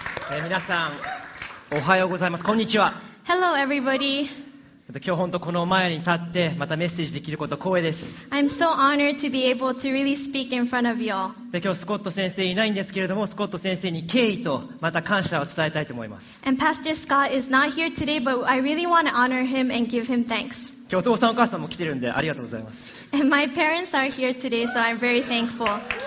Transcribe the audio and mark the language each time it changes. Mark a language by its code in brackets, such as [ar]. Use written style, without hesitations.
[ja] 皆さん、おはようございます。こんにちは。 [en] Hello, everybody. [ja] 今日本当この前に立ってまたメッセージできること光栄です。 [en] I'm so honored to be able to really speak in front of you. [ja] 今日スコット先生いないんですけれども、スコット先生に敬意とまた感謝を伝えたいと思います。 [en] And Pastor Scott is not here today, but I really want to honor him and give him thanks. [ja] 今日お父さんお母さんも来てるんでありがとうございます。 [en] And my parents are here today, so I'm very thankful.